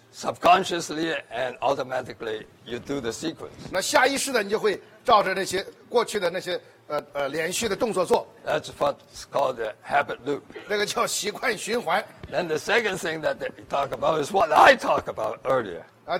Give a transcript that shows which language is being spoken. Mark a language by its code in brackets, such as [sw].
[en] Subconsciously and automatically, you do the sequence. [zh] 那下意识的你就会照着那些过去的那些连续的动作做。 [en] That's what's called the habit loop. [zh] 那个叫习惯循环。 [en] Then the second thing that they talk about is what I talked about earlier.